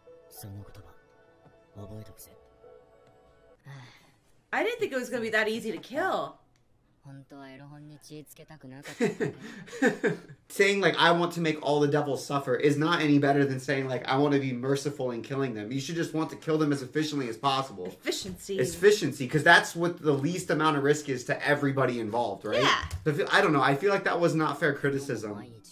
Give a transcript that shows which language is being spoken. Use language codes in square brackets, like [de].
[ja] その言葉、覚えておくぜ。 [en] I didn't think it was gonna be that easy to kill. [ja] 本当はエロ本に血つけたくなかった。 [en] Saying like I want to make all the devils suffer is not any better than saying like I want to be merciful in killing them. You should just want to kill them as efficiently as possible. Efficiency, because that's what the least amount of risk is to everybody involved, right? Yeah. So I don't know. I feel like that was not fair criticism.